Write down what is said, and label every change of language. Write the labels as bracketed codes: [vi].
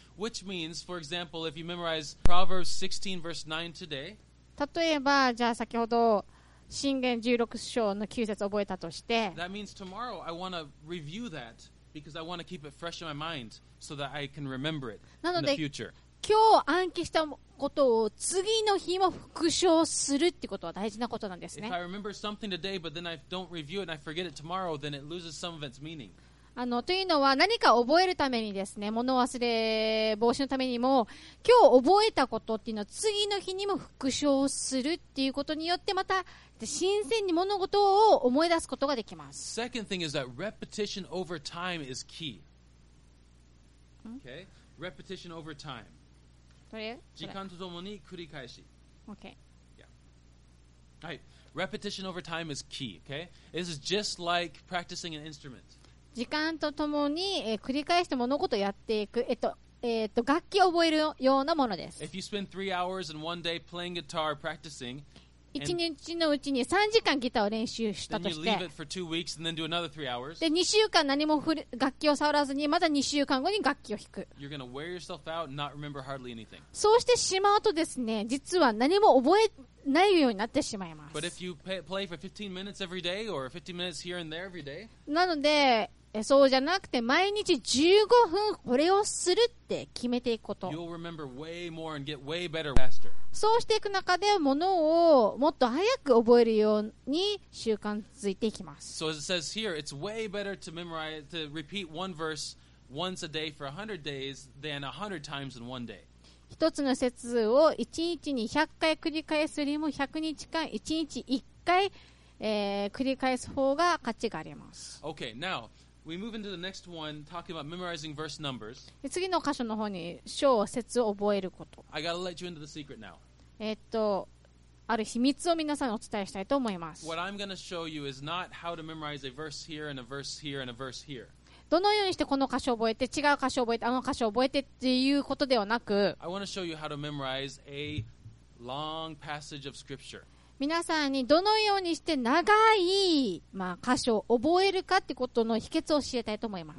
[en] Which means, for example, if you memorize Proverbs 16 verse 9 today, [ja] 例えば、じゃあ先ほど箴言16章の9節を覚えたとして [en] That means tomorrow I want to review that because I want to keep it fresh in my mind so that I can remember it in the future. [ja] 今日暗記したことを次の日も復唱するってことは大事なことなんですね。 [en] If I remember something today but then I don't review it and I forget it tomorrow then it loses some of its meaning. [ja] あのというのは何か覚えるためにですね、物忘れ防止のためにも今日覚えたことっていうのは次の日にも復唱するっていうことによってまた新鮮に物事を思い出すことができます。 [en] Second thing is that repetition over time is key. Okay. Repetition over time. [ja] これ時間とともに繰り返し。 [en] Okay. Yeah. Right. Repetition over time is key. Okay. This is just like practicing an instrument. [ja] 時間とともに、繰り返して物事をやっていく、楽器を覚えるようなものです。 [en] If you spend 3 hours in one day playing guitar practicing, [ja] 1日のうちに3時間ギターを練習したとして、で2週間何も楽器を触らずにまた2週間後に楽器を弾く、 [en] You're gonna wear yourself out, not remember hardly anything. [ja] そうしてしまうとですね、実は何も覚えないようになってしまいます。 [en] But if you play for 15 minutes every day or 15 minutes here and there every day, [ja] なのでそうじゃなくて毎日15分これをするって決めていくこと、 [en] You'll remember way more and get way better faster. [ja] そうしていく中で物をもっと早く覚えるように習慣づいていきます。 [en] So as it says here, it's way better to memorize, to repeat one verse once a day for 100 days than 100 times in one day. [ja] 一つの節を1日に100回繰り返すよりも100日間1日1回、繰り返す方が価値があります。 [en] Okay, now we move into the next one, talking about memorizing verse numbers. [ja] 次の箇所の方に章節を覚えること。 [en] I gotta let you into the secret now. [ja] ある秘密を皆さんにお伝えしたいと思います。 [en] What I'm gonna show you is not how to memorize a verse here and a verse here and a verse here. [ja] どのようにしてこの箇所を覚えて、違う箇所を覚えて、あの箇所を覚えてっていうことではなく、 [en] I wanna show you how to memorize a long passage of scripture. [ja] 皆さんにどのようにして長い、まあ、箇所を覚えるかってことの秘訣を教えたいと思います。